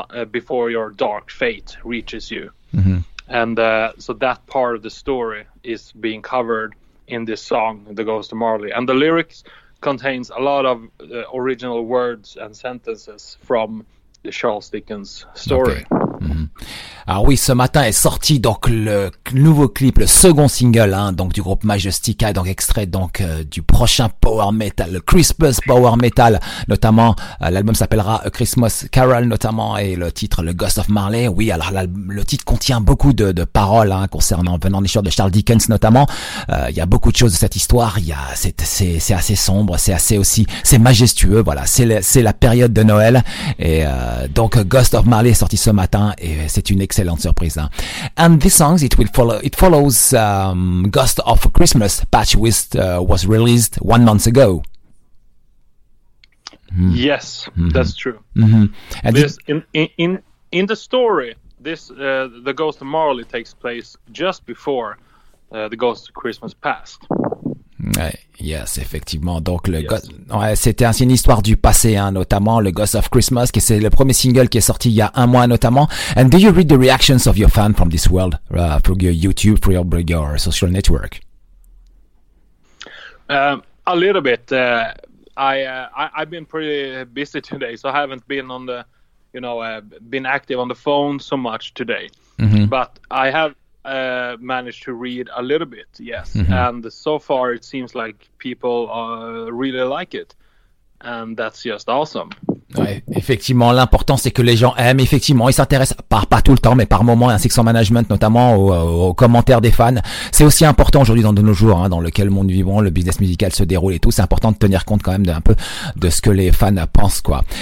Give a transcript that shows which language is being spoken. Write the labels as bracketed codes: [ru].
[en] Before your dark fate reaches you. Mm-hmm. And so that part of the story is being covered in this song, The Ghost of Marley. And the lyrics contains a lot of original words and sentences from the Charles Dickens story. Okay. [fr] Alors oui, ce matin est sorti donc le nouveau clip, le second single hein, donc du groupe Majestica, donc extrait donc du prochain power metal, le Christmas power metal, notamment l'album s'appellera A Christmas Carol notamment, et le titre le Ghost of Marley. Oui, alors le titre contient beaucoup de paroles hein, concernant venant des histoires de Charles Dickens notamment. Il y a beaucoup de choses de cette histoire. Il y a c'est assez sombre, c'est assez aussi c'est majestueux. Voilà, c'est la période de Noël et donc Ghost of Marley est sorti ce matin et c'est une excellente surprise. Hein. [en] And this song, it follows Ghost of Christmas Patch, which was released 1 month ago. Mm. Yes, mm-hmm. That's true. Mm-hmm. And in the story, this the Ghost of Marley takes place just before the Ghost of Christmas Past. [fr] Yes, effectivement. Donc le yes. Ghost, ouais, c'était ainsi une histoire du passé, hein, notamment le Ghost of Christmas, qui c'est le premier single qui est sorti il y a un mois, notamment. [en] And do you read the reactions of your fans from this world through your YouTube, through your social network? A little bit. I've been pretty busy today, so I haven't been on the, you know, been active on the phone so much today. Mm-hmm. But I have. Managed to read a little bit, yes. Mm-hmm. And so far it seems like people really like it, and that's just awesome. [fr] Ouais, effectivement, l'important c'est que les gens aiment, effectivement, ils s'intéressent, pas tout le temps, mais par moments, ainsi que son management, notamment aux commentaires des fans. C'est aussi important aujourd'hui dans de nos jours, hein, dans lequel monde vivons, le business musical se déroule et tout, c'est important de tenir compte quand même d'un peu de ce que les fans pensent, quoi.